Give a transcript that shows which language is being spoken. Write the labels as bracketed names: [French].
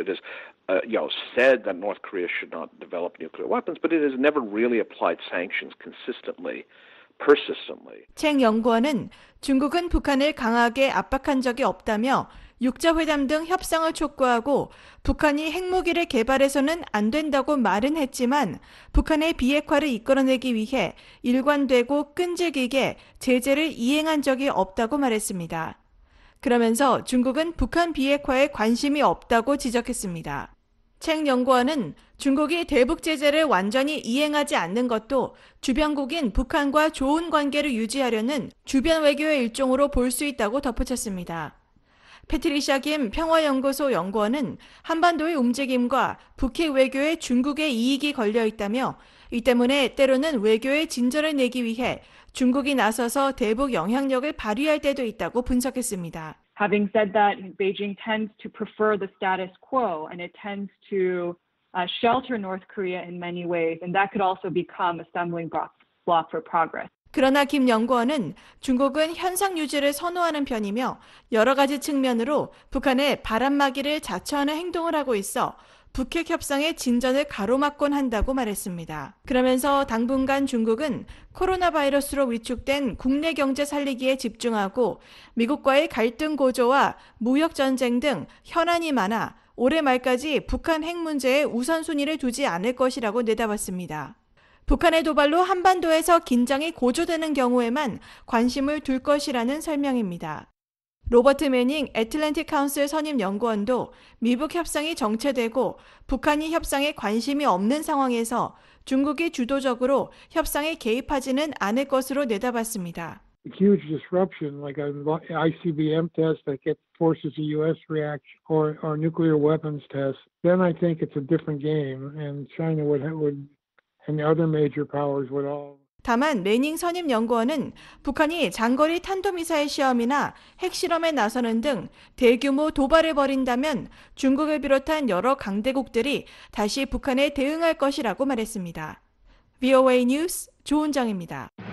[English] It has, said that North Korea should not develop nuclear weapons, but it has never really applied sanctions consistently, persistently. [Korean] 챙 연구원은 중국은 북한을 강하게 압박한 적이 없다며 육자회담 등 협상을 촉구하고 북한이 핵무기를 개발해서는 안 된다고 말은 했지만 북한의 비핵화를 이끌어내기 위해 일관되고 끈질기게 제재를 이행한 적이 없다고 말했습니다. 그러면서 중국은 북한 비핵화에 관심이 없다고 지적했습니다. 챙 연구원은 중국이 대북 제재를 완전히 이행하지 않는 것도 주변국인 북한과 좋은 관계를 유지하려는 주변 외교의 일종으로 볼 수 있다고 덧붙였습니다. 패트리샤 김 평화연구소 연구원은 한반도의 움직임과 북핵 외교에 중국의 이익이 걸려 있다며 이 때문에 때로는 외교에 진전을 내기 위해 중국이 나서서 대북 영향력을 발휘할 때도 있다고 분석했습니다. [English] Having said that, Beijing tends to prefer the status quo and it tends to shelter North Korea in many ways and that could also become a stumbling block for progress. [Korean] 그러나 김 연구원은 중국은 현상 유지를 선호하는 편이며 여러 가지 측면으로 북한의 바람막이를 자처하는 행동을 하고 있어 북핵 협상의 진전을 가로막곤 한다고 말했습니다. 그러면서 당분간 중국은 코로나 바이러스로 위축된 국내 경제 살리기에 집중하고 미국과의 갈등 고조와 무역 전쟁 등 현안이 많아 올해 말까지 북한 핵 문제에 우선순위를 두지 않을 것이라고 내다봤습니다. 북한의 도발로 한반도에서 긴장이 고조되는 경우에만 관심을 둘 것이라는 설명입니다. 로버트 매닝 애틀랜틱 카운슬 선임 연구원도 미북 협상이 정체되고 북한이 협상에 관심이 없는 상황에서 중국이 주도적으로 협상에 개입하지는 않을 것으로 내다봤습니다. [English] A huge disruption like an ICBM test that forces a US reaction or nuclear weapons test. Then I think it's a different game and China would and other major powers would all [Korean] 다만 매닝 선임 연구원은 북한이 장거리 탄도미사일 시험이나 핵실험에 나서는 등 대규모 도발을 벌인다면 중국을 비롯한 여러 강대국들이 다시 북한에 대응할 것이라고 말했습니다. VOA 뉴스 조은정입니다.